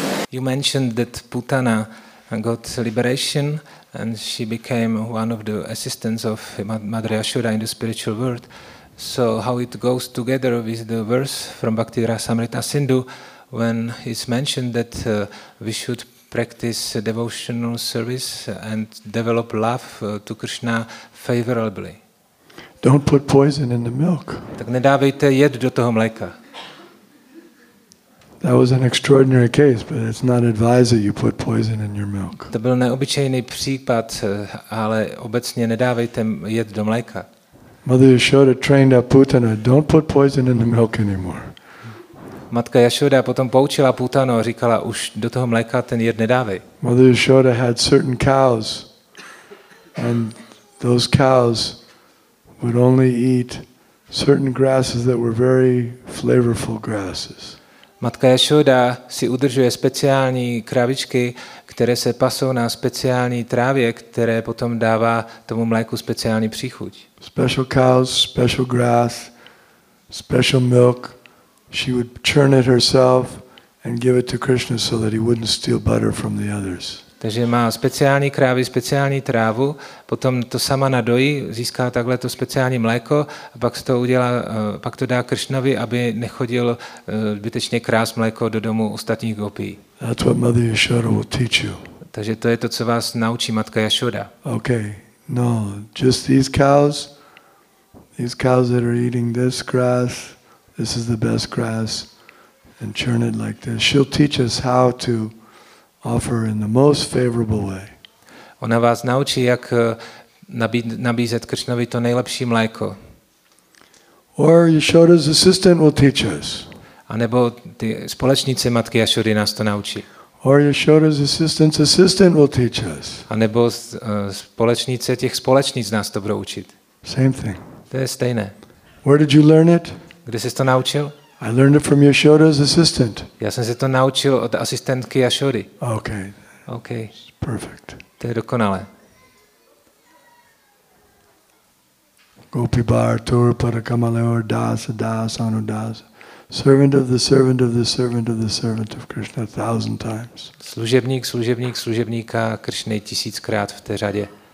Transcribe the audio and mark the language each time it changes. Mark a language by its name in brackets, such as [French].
[English] You mentioned that Putana got liberation and she became one of the assistants of Mother Yashoda in the spiritual world. So how it goes together with the verse from Bhakti Rasamrita Sindhu when it's mentioned that we should practice devotional service and develop love to Krishna favorably. Don't put poison in the milk. [Czech] Tak nedávejte jed do toho mléka. [English] That was an extraordinary case, but it's not advised that you put poison in your milk. [Czech] To byl neobyčejný případ, ale obecně nedávejte jed do mléka. [English] Mother Yashoda trained up Putana, don't put poison in the milk anymore. [Czech] Matka Yashoda potom poučila Putanu a říkala, už do toho mléka ten jed nedávej. [English] Mother Yashoda had certain cows, and those cows would only eat certain grasses that were very flavorful grasses. [Czech] Matka Yashoda si udržuje speciální krávičky, které se pasou na speciální trávě, které potom dává tomu mléku speciální příchuť. [English] Special cows, special grass, special milk. She would churn it herself and give it to Krishna so that he wouldn't steal butter from the others. [Czech] Takže má speciální krávy, speciální trávu, potom to sama nadojí, získá takhle to speciální mléko a pak to udělá, pak to dá Krišnovi, aby nechodil zbytečně krást mléko do domu ostatních gopí. [English] That's what Mother Yashoda will teach you. [Czech] Takže to je to, co vás naučí matka Yashoda. [English] Okay. No, just these cows that are eating this grass, this is the best grass, and churn it like this. She'll teach us how to offer in the most favorable way. [Czech] Ona vás naučí, jak nabízet Krišnovi to nejlepší mléko. [English] Or Yashoda's assistant will teach us. [Czech] A nebo ty společnice matky Yashody nás to naučí. [English] Or Yashoda's assistant's assistant will teach us. [Czech] A nebo společnice těch společnic nás to budou učit. [English] Same thing. [Czech] To je stejné. [English] Where did you learn it? [Czech] Kde jsi to naučil? [English] I learned it from Yashoda's assistant. [Czech] Já jsem se to naučil od asistentky Yashody. [English] Okay. Okay. Perfect. [Czech] To je dokonalé. Gopi Bar Tur Parakamaleor Das Das Anudas. [English] Servant of the servant of the servant of the servant of Krishna 1000 times. [Czech] Služebník služebník služebníka Kršny 1000krát v té řadě.